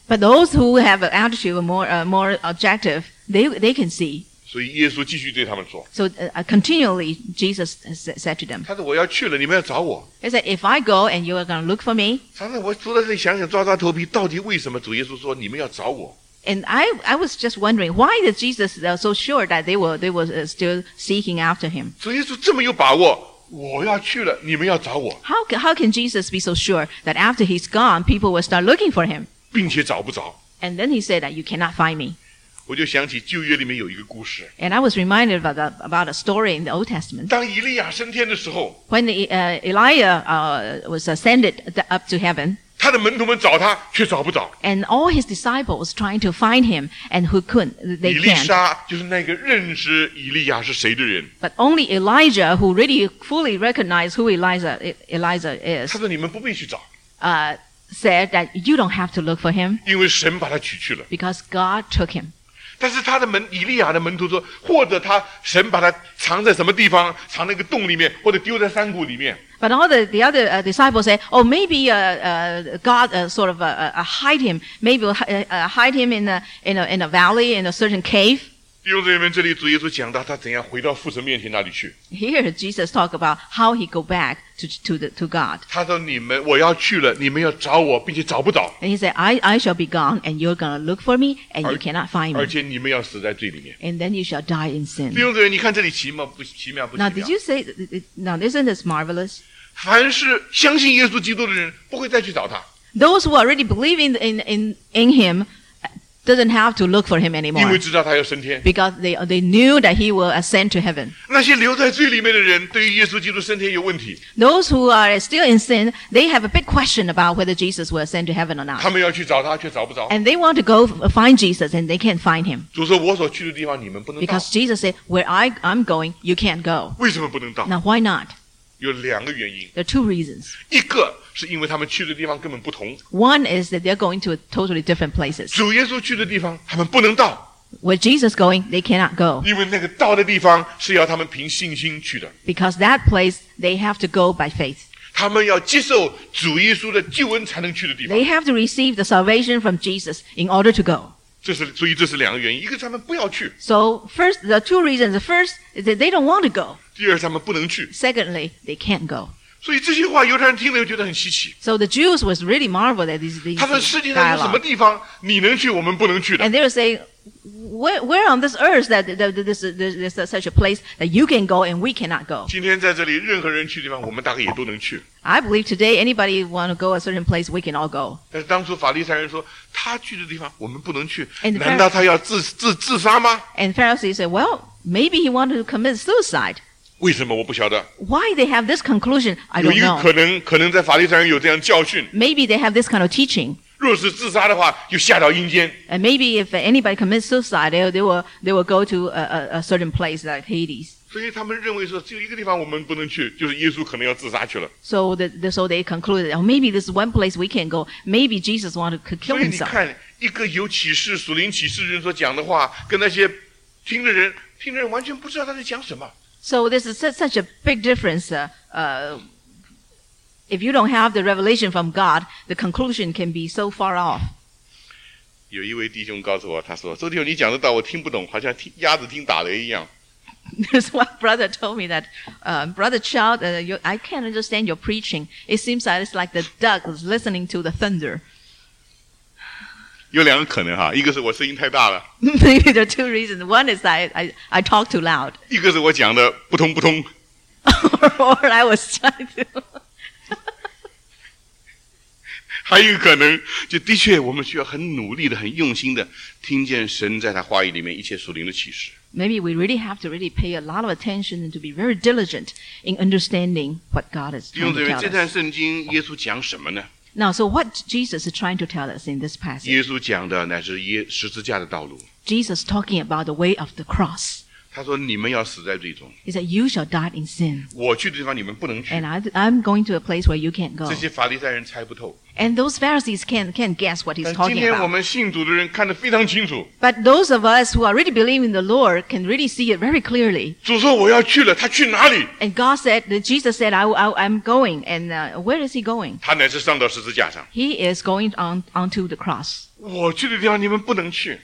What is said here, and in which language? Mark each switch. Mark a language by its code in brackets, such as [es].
[en] But those who have an attitude more objective, they can see. [zh] 所以耶稣继续对他们说。 [en] So, continually, Jesus said to them. [zh] 他说我要去了，你们要找我。 [en] He said, if I go and you are going to look for me. [zh] 常常我坐在这里想想抓抓头皮，到底为什么主耶稣说你们要找我？ [en] And I was just wondering, why is Jesus so sure that they were still seeking after him? [zh] 主耶稣这么有把握，我要去了，你们要找我。 [en] How can Jesus be so sure that after he's gone, people will start looking for him? [zh] 并且找不着。 [en] And then he said that you cannot find me. [zh] 我就想起旧约里面有一个故事。 [en] And I was reminded about a story in the Old Testament. [zh] 当以利亚升天的时候。 [en] When Elijah was ascended up to heaven. [zh] 他的门徒们找他却找不着。 [en] And all his disciples trying to find him and who couldn't, they can't. [zh] 以利沙就是那个认识以利亚是谁的人。 [en] But only Elijah who really fully recognized who Elijah is. [zh] 他说你们不必去找。 [en] Said that you don't have to look for him. [zh] 因为神把他取去了。 [en] Because God took him. [zh] 但是他的门以利亚的门徒说，或者他神把他藏在什么地方，藏在一个洞里面，或者丢在山谷里面。 [en] But all the other disciples say, oh, maybe God sort of hide him, maybe hide him in a valley in a certain cave. [zh] 弟兄姊妹们，这里主耶稣讲到他怎样回到父神面前那里去。 [en] Here Jesus talk about how he go back to God. [zh] 他说你们我要去了，你们要找我，并且找不着。 [en] And he said, I shall be gone, and you're gonna look for me, and you cannot find me. [zh] 而且你们要死在罪里面。 [en] And then you shall die in sin. [zh] 弟兄姊妹，你看这里奇妙不奇妙 [en] ？Now did you say? Now isn't this marvelous? [zh] 凡是相信耶稣基督的人，不会再去找他。 [en] Those who already believe in him. doesn't have to look for him anymore. [zh] 因为知道他要升天。 [en] Because they knew that he will ascend to heaven. [zh] 那些留在罪里面的人对于耶稣基督升天有问题。 [en] Those who are still in sin, they have a big question about whether Jesus will ascend to heaven or not. [zh] 他们要去找他却找不着。 [en] And they want to go find Jesus and they can't find him. [zh] 主说我所去的地方你们不能到。 [en] Because Jesus said, where I'm going, you can't go. [zh] 为什么不能到？ [en] Now why not? [zh] 有两个原因。 [en] There are two reasons. [zh] 一个是因为他们去的地方根本不同。 [en] One is that they're going to totally different places. [zh] 主耶稣去的地方他们不能到。 [en] Where Jesus going, they cannot go. [zh] 因为那个到的地方是要他们凭信心去的。 [en] Because that place, they have to go by faith. [zh] 他们要接受主耶稣的救恩才能去的地方。 [en] They have to receive the salvation from Jesus in order to go. [zh] 所以这是两个原因，一个是他们不要去。 [en] So first, the two reasons. First is that they don't want to go. [zh] 第二，他们不能去。 [en] Secondly, they can't go. [zh] 所以这些话犹太人听了又觉得很稀奇。 [en] So the Jews was really marveled at these dialogue. [zh] 他说世界上有什么地方你能去，我们不能去的 [en] ？And they were saying, where on this earth that this is such a place that you can go and we cannot go? [zh] 今天在这里，任何人去的地方，我们大概也都能去。 [en] I believe today anybody want to go a certain place, we can all go. [zh] 但是当初法利赛人说他去的地方我们不能去，难道他要自杀吗？ [en] And Pharisee said, well, maybe he wanted to commit suicide. [zh] 为什么我不晓得？ [en] Why they have this conclusion, I don't know. [zh] 有一个可能在法利赛人有这样教训。 [en] Maybe they have this kind of teaching. [zh] 若是自杀的话，就下到阴间。 [en] And maybe if anybody commits suicide, they will go to a certain place like Hades. [zh] 所以他们认为说只有一个地方我们不能去，就是耶稣可能要自杀去了。 [en] So they concluded, oh, maybe this is one place we can go. Maybe Jesus wanted to kill himself. [zh] 所以你看，一个有启示、属灵启示的人所讲的话，跟那些听的人完全不知道他在讲什么。 [en] So this is such a big difference. If you don't have the revelation from God, the conclusion can be so far off. [zh] 有一位弟兄告诉我，他说：“周弟兄，你讲的道我听不懂，好像听鸭子听打雷一样。” [en] This one brother told me that, brother child, I can't understand your preaching. It seems like it's like the duck is listening to the thunder. [zh] 有两个可能哈，一个是我声音太大了。 [en] Maybe there are two reasons. One is that I talk too loud. [zh] 一个是我讲的不通不通。 [en] Or I was trying to. [zh] 还有一个可能，就的确我们需要很努力的、很用心的听见神在他话语里面一切属灵的启示。 [en] Maybe we really have to really pay a lot of attention and to be very diligent in understanding what God is trying to tell us. [zh] 这段圣经耶稣讲什么呢？ [en] Now, so what Jesus is trying to tell us in this passage? [zh] 耶稣讲的乃是十字架的道路。 [en] Jesus talking about the way of the cross. [zh] 他说你们要死在罪中。 [en] He said, you shall die in sin. [zh] 我去的地方你们不能去。 [en] And I'm going to a place where you can't go. [zh] 这些法利赛人猜不透。 [en] And those Pharisees can't guess what he's talking about. [zh] 今天我们信主的人看得非常清楚。 [en] But those of us who already believe in the Lord can really see it very clearly. [zh] 主说我要去了，他去哪里？ [en] And God said, Jesus said, I'm going. And where is he going? [zh] 他乃是上到十字架上。 [en] He is going onto the cross. [zh] 我去的地方你们不能去。